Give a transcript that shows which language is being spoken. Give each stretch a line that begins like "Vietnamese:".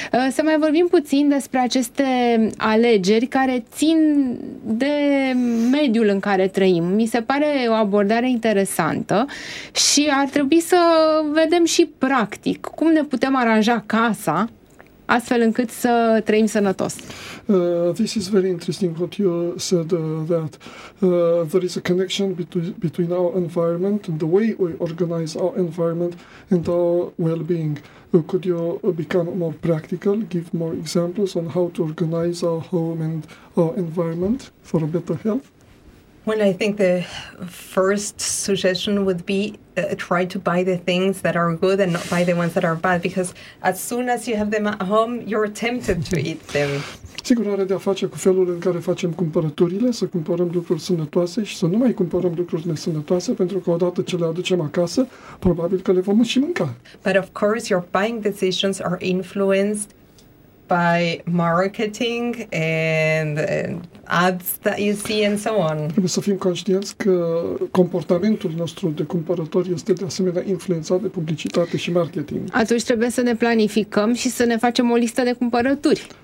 Romanian: Să mai vorbim puțin despre aceste alegeri care țin de mediul în care trăim. Mi se pare o abordare interesantă și ar trebui să vedem și practic cum ne putem aranja casa astfel încât să trăim sănătos.
English: This is very interesting what you said that there is a connection between our environment and the way we organize our environment and our well-being. Could you become more practical, give more examples on how to organize our home and our environment for a better health? Well, I think the first suggestion would be try to buy the things that are good and not buy the ones that are bad, because as soon as you have them at home, you're tempted to eat them.
Romanian: Sigur, are de a face cu felul în care facem cumpărăturile, să cumpărăm lucruri sănătoase și să nu mai cumpărăm lucruri nesănătoase, pentru că odată ce le aducem acasă, probabil că le vom și mânca.
English: But of course, your buying decisions are influenced by marketing and ads that you see and so on.
Romanian: Trebuie să fim conștienți că comportamentul nostru de cumpărător este de asemenea influențat de publicitate și marketing. Atunci trebuie să ne planificăm și să ne facem o listă de cumpărături.